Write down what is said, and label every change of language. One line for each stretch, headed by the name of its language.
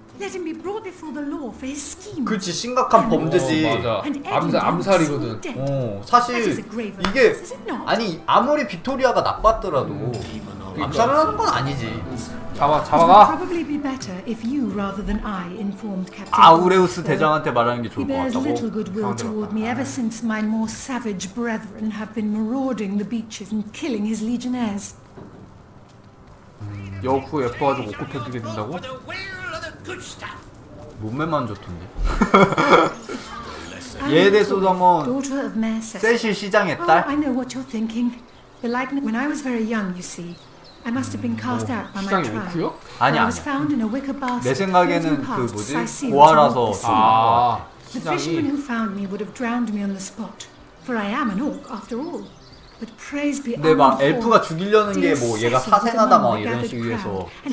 English: Let him be brought before the law for his scheme.
Korean: 그치, 심각한 범죄지. 맞아. 암살이거든. 사실 이게 아니 아무리 빅토리아가 나빴더라도 암살을 하는 건 아니지. 잡아가.
English: Probably be better if you rather than I informed Captain.
Korean: 아우레우스 대장한테 말하는 게 좋을 것 같다고.
English: He bears little goodwill toward me ever since my more savage brethren have been marauding the beaches and killing his legionnaires.
Korean: 여우 예뻐가지고 옷 꼽혀지게 된다고? 몸매만 좋던데. 얘에 대해서도 한번.
English: Daughter of Mercer.
Korean: 세실 시장의 딸.
English: I know what you're thinking. The likeness when I was very young, you see. I must have been cast out by my tribe.
Korean: 시장이 옥구요? 아니야. 내 생각에는 그 뭐지? 고아라서 시장이.
English: The fisherman who found me would have drowned me on the spot, for I am an orc after all. But praise be.
Korean: 근데 막 엘프가 죽이려는 게 뭐 얘가 사생하다 막 이런 식으로 해서.